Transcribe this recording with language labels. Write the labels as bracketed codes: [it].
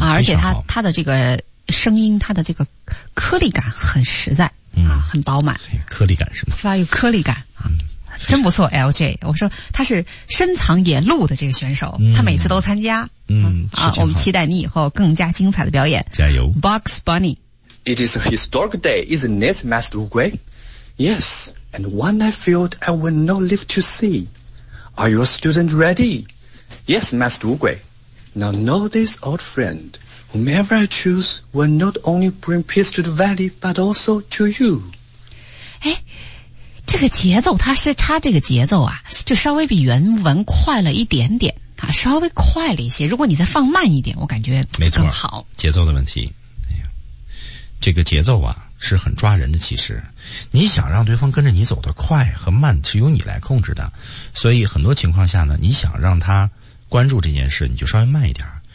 [zh] 而且他的这个声音，他的这个颗粒感很实在，很饱满。颗粒感是吗？发有颗粒感，真不错。 LJ， 我说他是深藏野鹿的这个选手，他每次都参加。我们期待你以后更加精彩的表演，加油，Box Bunny。 [en] It is a historic day, isn't it, Master Oogway? Yes, and one I feared I would not live to see. Are your students ready? Yes, Master Oogway. Now know this old friend, whomever I choose will not only bring peace to the valley, but also to you. [zh] 诶，这个节奏他这个节奏啊，就稍微比原文快了一点点啊，稍微快了一些。如果你再放慢一点，我感觉更好。没错，节奏的问题。哎呀，这个节奏啊是很抓人的，其实你想让对方跟着你走得快和慢是由你来控制的，所以很多情况下呢，你想让他关注这件事，你就稍微慢一点。